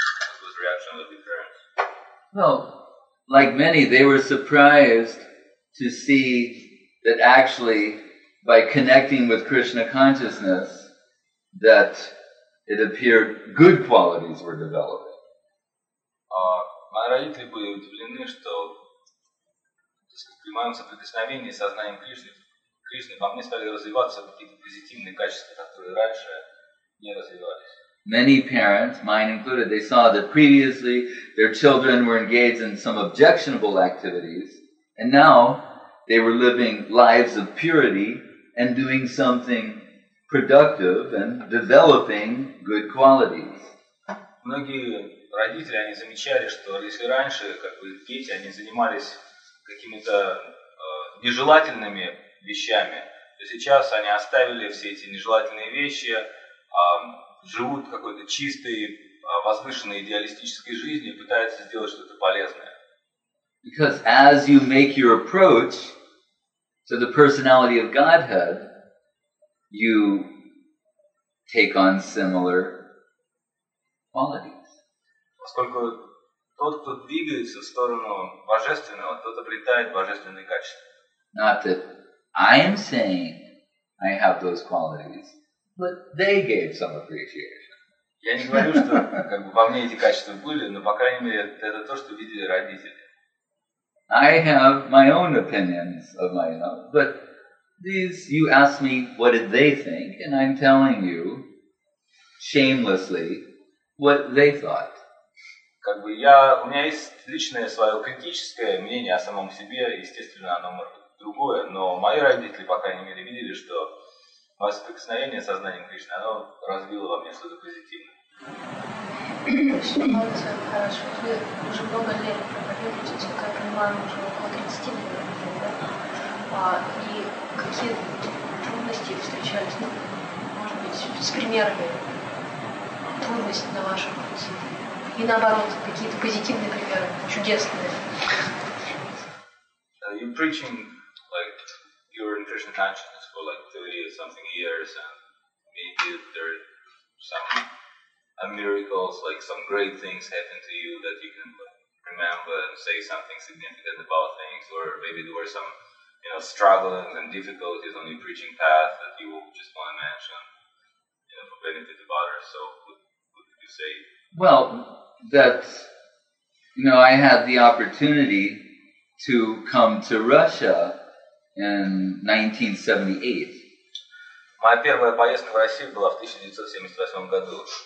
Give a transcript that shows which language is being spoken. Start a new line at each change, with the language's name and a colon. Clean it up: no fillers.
English: What was the reaction of your parents? Well, like many, they were surprised to see that actually, by connecting with Krishna consciousness, that it appeared good qualities were developing.
Russian: Мои родители были удивлены, что при моем соприкосновении с сознанием Кришны во мне стали развиваться какие-то позитивные качества, которые раньше не развивались.
English: Many parents, mine included, they saw that previously their children were engaged in some objectionable activities, and now they were living lives of purity and doing something productive and developing good qualities.
Russian: Многие родители, они замечали, что если раньше, как бы дети, они занимались какими-то нежелательными вещами, то сейчас они оставили все эти нежелательные вещи, живут какой-то чистой, возвышенной, идеалистической жизнью и пытаются сделать что-то полезное.
English: Because as you make your approach to the personality of Godhead, you take on similar qualities.
Russian: Поскольку тот, кто двигается в сторону божественного, тот обретает божественные качества.
English: Not that I am saying I have those qualities, but they gave some appreciation.
Russian: Я не говорю, что как бы во мне эти качества были, но, по крайней мере, это то, что видели родители.
English: I have my own opinions of my own, but these, you ask me, what did they think, and I'm telling you, shamelessly, what they thought.
Russian: как бы я, у меня есть личное свое критическое мнение о самом себе, естественно, оно может быть другое, но мои родители, по крайней мере, видели, что мое соприкосновение с сознанием Кришны, оно развило во мне что-то позитивное. Все хорошо. Вы уже много лет проповедуете, как я понимаю, уже около 30 лет, да? И какие трудности встречались, ну, может быть, с примерами, трудности на вашем пути? И наоборот, какие-то позитивные примеры, чудесные.
English: You're preaching like you're in Krishna consciousness for like 30 or something years, and maybe there are some miracles, like some great things happen to you that you can remember and say something significant about things, or maybe there were some, you know, struggles and difficulties on your preaching path that you just want to mention, you know, for benefit of others. So what could you say? Well, that, you know, I had the opportunity to come to Russia in 1978.
Russian: Моя первая поездка в Россию была в 1978 году.